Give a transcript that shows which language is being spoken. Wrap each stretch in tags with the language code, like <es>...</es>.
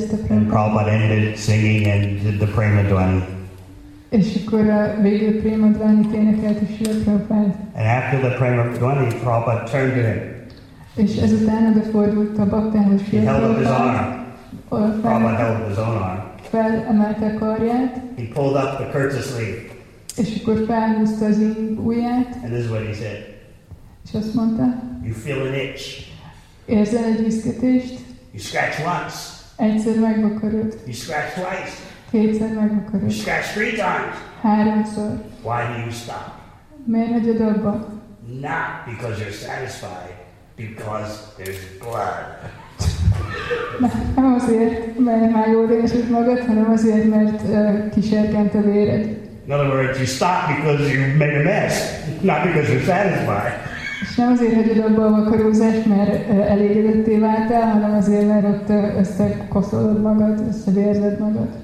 <en>And Prabhupada ended singing and did the Prema Dvani.</en> <hu>És akkor végül Prema Dvanit énekelt a Srila Prabhupada.</hu> <en>And after the Prema Dvani, Prabhupada turned to him.</en> <hu>És ezután odafordult a bhaktához Srila</hu> <en>Prabhupada. He held up his arm. Prabhupada held up his own arm.</en> <hu>Felemelte a karját.</hu> <en>He pulled up the kurta sleeve.</en> <hu>És akkor felhúzta az ujját.</hu> <en>And this is what he said.</en> <hu>És azt mondta.</hu> <en>You feel an itch.</en> <hu>Érzel egy viszketést?</hu> <en>You scratch once.</en> <hu>Egyszer megvakarod.</hu> <en>You scratch twice.</en> <hu>Kétszer megvakarod.</hu> <en>You scratch three times.</en> <hu>Háromszor.</hu> <en>Why do you stop?</en> <hu>Miért hagyod abba?</hu> <en>Not because you're satisfied, because there's blood.</en> <hu>Nem azért, mert már jól érzed magad, hanem azért, mert kiserkent a véred.</hu> <en>In other words, you stop because you made a mess, not because you're satisfied.</en> <hu>És nem azért hagyod abba a vakarózást, mert elégedetté váltál, hanem azért, mert ott összekoszolod magad, összevérzed magad.</hu>